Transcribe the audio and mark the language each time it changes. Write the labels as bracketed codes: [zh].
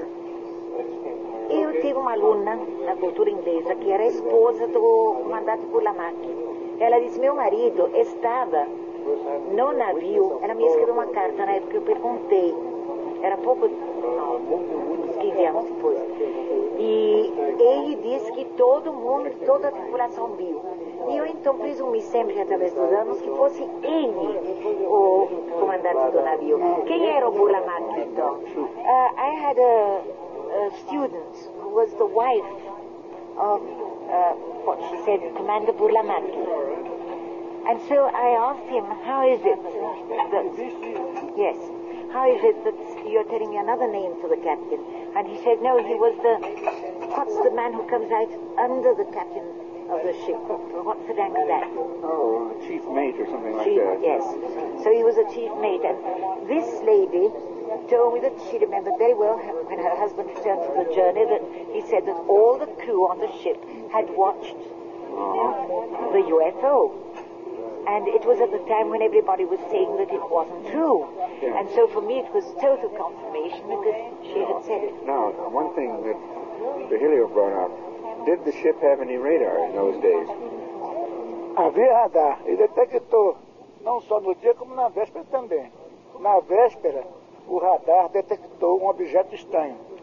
[pt] Io tengo una luna, la cultura inglesa, che era sposa do comandante Burlamacchi. Ela disse, meu marido estava no navio. Ela me escreveu uma carta na época, eu perguntei. Era pouco, uns 15 anos depois. E ele disse que todo mundo, toda a tripulação viu. E eu então presumi sempre, através dos anos, que fosse ele o comandante do navio. Quem era o Burlamacchi, então? [en] I had a student who was the wife of what she said, Commander Burlamacchi. And so I asked him, how is it that, yes, how is it that you're telling me another name for the captain? And he said, no, he was the, what's the man who comes out under the captain of the ship? What's the rank of that? Oh, chief mate or something like that. Yes. So he was a chief mate. And this lady told me that she remembered very well when her husband returned from the journey that he said that all the crew on the ship had watched the UFO. And it was at the time when everybody was saying that it wasn't true. Yeah. And so for me it was total confirmation because she had said it. Now, one thing that Virgilio brought up, did the ship have any radar in those days? [pt] Havia radar e detectou, não só no dia como na véspera também. Na véspera, o radar detectou um objeto estranho.